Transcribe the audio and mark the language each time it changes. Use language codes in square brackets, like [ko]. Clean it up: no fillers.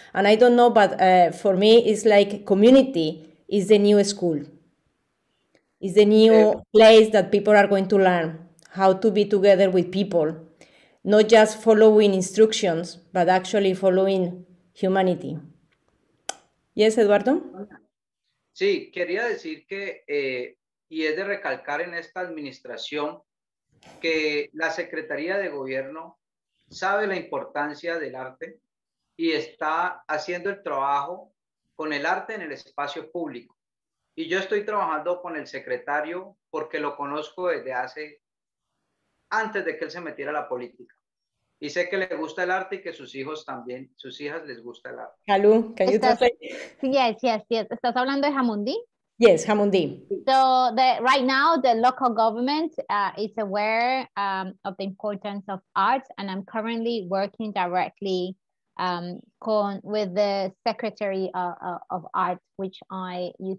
[en] And I don't know, but for me, it's like community is the new school. It's the new place that people are going to learn how to be together with people, not just following instructions, but actually following humanity. Yes, Eduardo? [es] Sí, quería decir que, y es de recalcar en esta administración, que la Secretaría de Gobierno sabe la importancia del arte y está haciendo el trabajo con el arte en el espacio público. Y yo estoy trabajando con el secretario porque lo conozco desde hace, antes de que él se metiera a la política. Y sé que le gusta el arte y que sus hijos también, sus hijas les gusta el arte. [en] Calú, can you translate? Yes. [es] ¿Estás hablando de Jamundí? [en] Yes, Jamundí. So the right now the local government is aware of the importance of art, and I'm currently working directly with the Secretary of Art, which I used